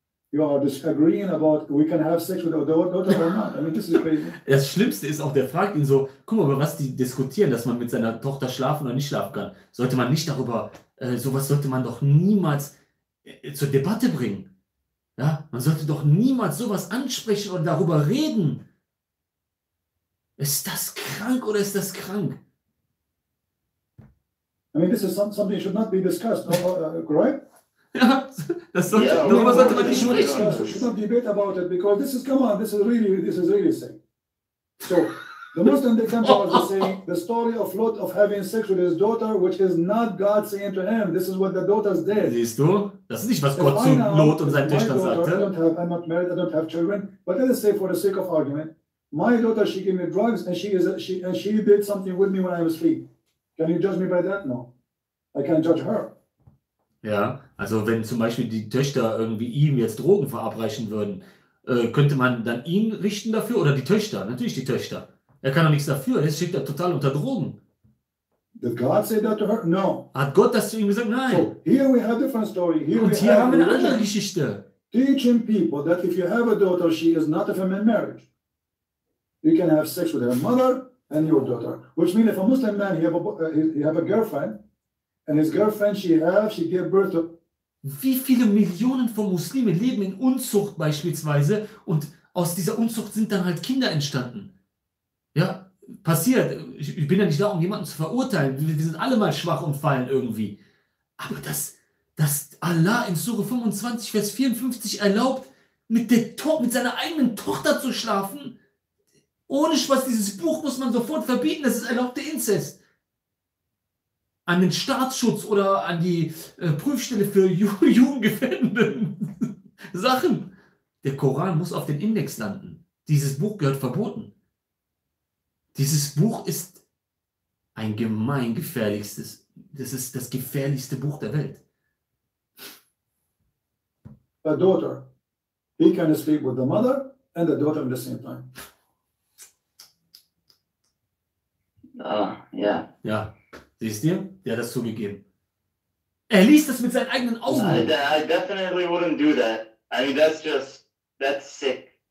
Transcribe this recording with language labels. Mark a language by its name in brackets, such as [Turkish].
[English] You are disagreeing about we can have sex with our daughter or not. I mean, this is crazy. [German] Das Schlimmste ist auch, der fragt ihn so, guck mal, über was die diskutieren, dass man mit seiner Tochter schlafen oder nicht schlafen kann. Sollte man nicht darüber, sowas sollte man doch niemals zur Debatte bringen. Ja, man sollte doch niemals sowas ansprechen und darüber reden. Ist das krank oder ist das krank? [English] I mean, this is something should not be discussed, correct? [German] Ja, das sollte, yeah, darüber sollte man nicht sprechen. [English] We should not debate about it, because this is, come on, this is really sick. So, the Muslim temple is saying, the story of Lot of having sex with his daughter, which is not God saying to him, this is what the daughters did. [German] Siehst du, das ist nicht, was Gott zu Lot und seinen Töchtern sagte. [English] I don't have, I'm not married, I don't have children, but let us say for the sake of argument, my daughter, she gave me drugs, and she did something with me when I was free. Can you judge me by that? No. I can't judge her. [German] Ja, also wenn zum Beispiel die Töchter irgendwie ihm jetzt Drogen verabreichen würden, könnte man dann ihn richten dafür? Oder die Töchter? Natürlich die Töchter. Er kann doch nichts dafür, er steht da total unter Drogen. [English] Did God say that to her? No. [German] Hat Gott das zu ihm gesagt? Nein. So, [English] here we have a different story. [German] Here und hier haben wir eine andere Geschichte. [English] Teaching people that if you have a daughter, she is not a feminine marriage. You can have sex with her mother and your daughter. Which means if a Muslim man, he have a girlfriend, and his girlfriend, she gave birth to. [German] Wie viele Millionen von Muslimen leben in Unzucht beispielsweise und aus dieser Unzucht sind dann halt Kinder entstanden? Ja, passiert. Ich bin ja nicht da, um jemanden zu verurteilen. Wir sind alle mal schwach und fallen irgendwie. Aber dass Allah in Sure 25, Vers 54 erlaubt, mit seiner eigenen Tochter zu schlafen, ohne Spaß, dieses Buch muss man sofort verbieten, das ist erlaubter Inzest. An den Staatsschutz oder an die Prüfstelle für Jugendgefährdende Sachen. Der Koran muss auf den Index landen. Dieses Buch gehört verboten. Dieses Buch ist ein gemeingefährlichstes, das ist das gefährlichste Buch der Welt. [English] A daughter. He can speak with the mother and the daughter at the same time. Yeah. [German] Ja, siehst du? Der hat das zugegeben. Er liest das mit seinen eigenen Augen. [English] I definitely wouldn't do that. I mean, that's just, that's sick.